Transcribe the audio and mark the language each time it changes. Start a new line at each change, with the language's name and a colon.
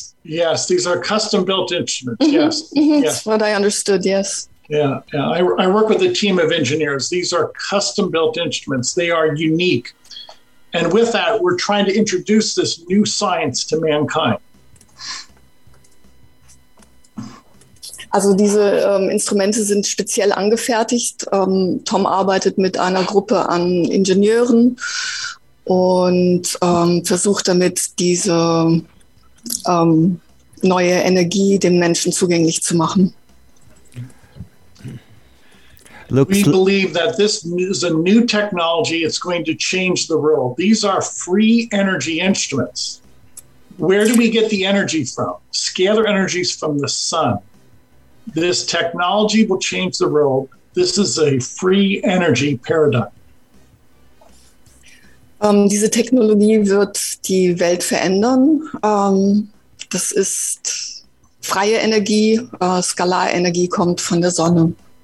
English: Yes, these are custom built instruments. Mm-hmm. Yes. Mm-hmm. Yes. That's what I understood, yes. Yeah. I work with a team of engineers. These are custom built instruments. They are unique. And with that, we're trying to introduce this new science to mankind.
German: Also diese Instrumente sind speziell angefertigt. Tom arbeitet mit einer Gruppe an Ingenieuren und versucht damit, diese neue Energie den Menschen zugänglich zu machen.
English: We believe that this is a new technology. It's going to change the world. These are free energy instruments. Where do we get the energy from? Scalar energy is from the sun. This technology will change the world. This is a free energy paradigm.
German: Diese Technologie wird die Welt verändern. Das ist freie Energie. Skalarenergie kommt von der Sonne.